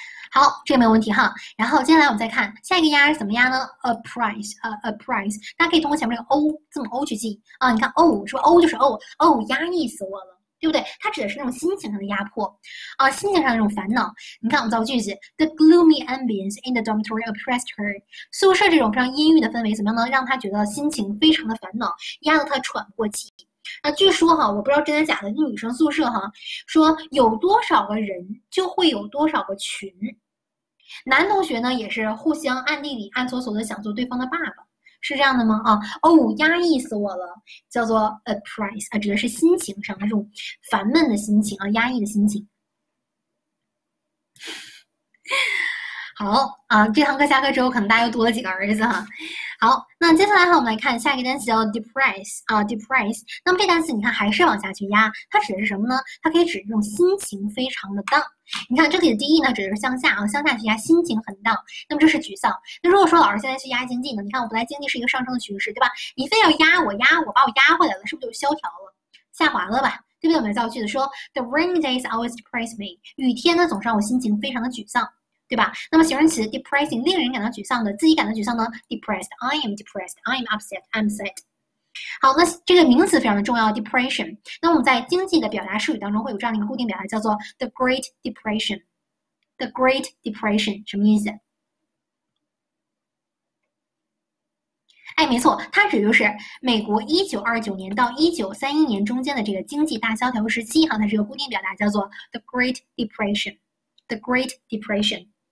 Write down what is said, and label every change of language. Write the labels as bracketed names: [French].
[Chinese] 好，这个没有问题哈。然后接下来我们再看下一个压是怎么压呢 ？Oppress， 大家可以通过前面这个 O 字母 O 去记啊。你看 O 是吧 ？O 就是 O， 压抑死我了，对不对？它指的是那种心情上的压迫啊，心情上的那种烦恼。 [English] 你看我们造句子 ，The gloomy ambience in the dormitory oppressed her。 [Chinese] 宿舍这种非常阴郁的氛围怎么样呢？让她觉得心情非常的烦恼，压得她喘不过气。那据说哈，我不知道真的假的，女生宿舍哈，说有多少个人就会有多少个群，男同学呢也是互相暗地里暗搓搓的想做对方的爸爸，是这样的吗？啊，哦，压抑死我了，叫做 oppress 啊，指的是心情上那种烦闷的心情啊，压抑的心情。好啊，这堂课下课之后，可能大家又多了几个儿子哈。好，那接下来哈，我们来看下一个单词叫 depress 啊 ，depress。那么这单词你看还是往下去压，它指的是什么呢？它可以指这种心情非常的 down。你看这里的 D E 呢，指的是向下啊，向下去压，心情很 down。那么这是沮丧。那如果说老师现在去压经济呢？你看我本来经济是一个上升的趋势，对吧？你非要压我，把我压回来了，是不是就萧条了，下滑了吧？ [English] 对不对？我们造句子说 ，The rainy days always depress me。 [Chinese] 雨天呢，总是让我心情非常的沮丧。对吧？那么形容词 [English] depressing [Chinese] 令人感到沮丧的，自己感到沮丧呢 [English] ？depressed， I am depressed， I am upset， I'm sad。 [Chinese] 好，那这个名词非常的重要 ，depression。那我们在经济的表达术语当中会有这样的一个固定表达，叫做 the Great Depression。 the Great Depression 什么意思？哎，没错，它指就是美国1929年到1931年中间的这个经济大萧条时期哈，它是一个固定表达，叫做 The Great Depression，The Great Depression。